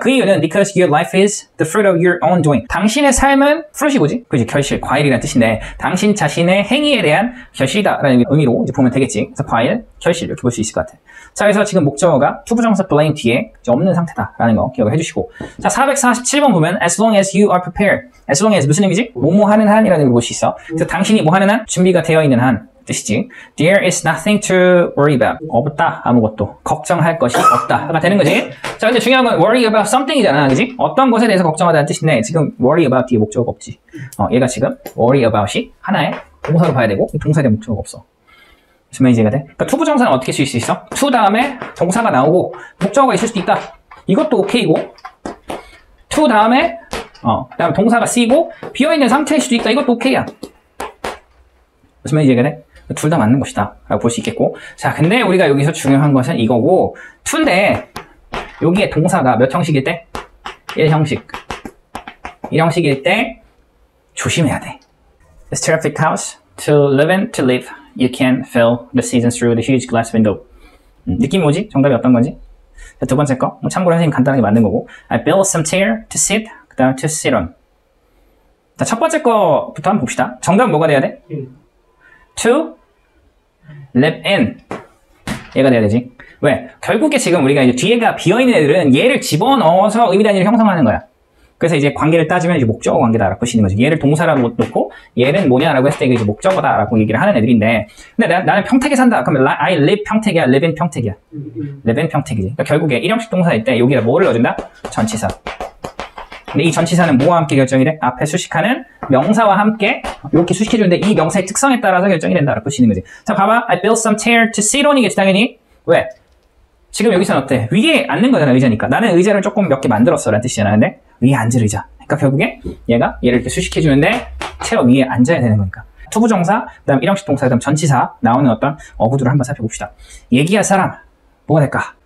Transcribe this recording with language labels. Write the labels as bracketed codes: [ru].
[ko] 그 이유는 [en] because your life is the fruit of your own doing. [ko] 당신의 삶은 fruit이 뭐지? 그지, 결실, 과일이라는 뜻인데, 당신 자신의 행위에 대한 결실이다라는 의미로 이제 보면 되겠지. 그래서 과일, 결실, 이렇게 볼 수 있을 것 같아. 자, 그래서 지금 목적어가 투부정사 blame 뒤에 이제 없는 상태다라는 거 기억을 해주시고. 자, 447번 보면, [en] as long as you are prepared. as long as [ko] 무슨 의미지? 뭐뭐 하는 한이라는 의미로 볼 수 있어. 그래서 당신이 뭐 하는 한? 준비가 되어 있는 한. 뜻이지. [en] There is nothing to worry about. [ko] 없다. 아무것도. 걱정할 것이 없다. 가 되는 거지. 자, 근데 중요한 건 [en] worry about something이잖아. [ko] 그지? 어떤 것에 대해서 걱정하다는 뜻인데 지금 worry about 뒤에 목적어가 없지. 어, 얘가 지금 worry about이 하나의 동사로 봐야 되고 동사에 대한 목적어가 없어. 무슨 말인지 이해가 돼? 그러니까 to 부정사는 어떻게 쓸 수 있어? to 다음에 동사가 나오고 목적어가 있을 수도 있다. 이것도 오케이고 to 다음에 그다음 동사가 쓰이고 비어있는 상태일 수도 있다. 이것도 오케이야. 무슨 말인지 이해가 돼? 둘 다 맞는 것이다 라고 볼 수 있겠고. 자, 근데 우리가 여기서 중요한 것은 이거고 2인데 여기에 동사가 몇 형식일 때? 1형식 1형식일 때 조심해야 돼. [en] It's a terrific house to live in, to live. You can feel the season through the huge glass window. [ko] 느낌이 뭐지? 정답이 어떤 건지. 자, 두 번째 거 뭐 참고로 선생님 간단하게 만든 거고 [en] I built some chair to sit, [ko] 그 다음 [en] to sit on. [ko] 자, 첫 번째 거부터 한번 봅시다. 정답은 뭐가 돼야 돼? to live in. 얘가 돼야 되지. 왜? 결국에 지금 우리가 이제 뒤에가 비어있는 애들은 얘를 집어넣어서 의미 단위를 형성하는 거야. 그래서 이제 관계를 따지면 이제 목적어 관계다라고 보시는 거죠. 얘를 동사라고 놓고 얘는 뭐냐라고 했을 때 이게 이제 목적어다라고 얘기를 하는 애들인데. 근데 나는 평택에 산다. 그러면 [en] I live [ko] 평택이야. [en] live in 평택이야. live in 평택이지. [ko] 그러니까 결국에 일형식 동사일 때 여기다 뭐를 넣어준다? 전치사. 근데 이 전치사는 뭐와 함께 결정이 돼? 앞에 수식하는 명사와 함께 이렇게 수식해주는데 이 명사의 특성에 따라서 결정이 된다 라고 보시는 거지. 자, 봐봐. [en] I built some chair to sit on이겠지, [ko] 당연히. 왜? 지금 여기서는 어때? 위에 앉는 거잖아, 의자니까. 나는 의자를 조금 몇 개 만들었어 라는 뜻이잖아. 근데 위에 앉을 의자. 그러니까 결국에 얘가 얘를 이렇게 수식해주는데 채워 위에 앉아야 되는 거니까. 투부정사, 그 다음 일형식 동사, 그 다음 전치사 나오는 어떤 어구들을 한번 살펴봅시다. 얘기할 사람. 뭐가 될까?